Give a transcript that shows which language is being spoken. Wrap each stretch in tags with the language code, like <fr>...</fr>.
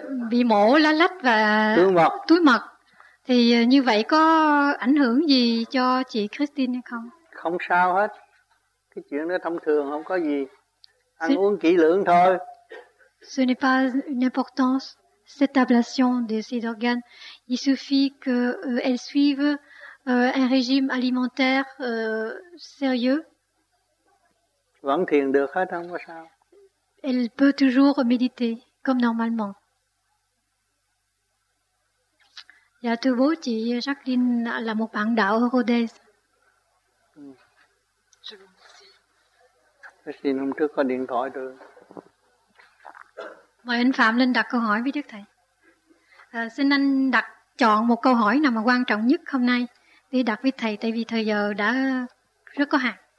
<vi>Bị mổ la lách và túi mật. Thì như vậy có ảnh hưởng gì cho chị Christine hay không? Không sao hết. Cái chuyện đó thông thường, không có gì. Ăn uống kỹ lưỡng thôi.</vi> <fr>Ce n'est pas une importance, cette ablation de ces organes. Il suffit qu'elles suivent un régime alimentaire sérieux.</fr> <vi>Vẫn thiền được hết, không có sao.</vi> <fr>Elle peut toujours méditer, comme normalement.</fr> <vi>Dạ, thưa bố, chị Jacqueline là một bạn đạo ở Rhodes. Xin hôm trước có điện thoại rồi. Mời anh Phạm lên đặt câu hỏi với Đức Thầy. Xin anh đặt chọn một câu hỏi nào mà quan trọng nhất hôm nay để đặt với Thầy, tại vì thời giờ đã rất có hạn.</vi>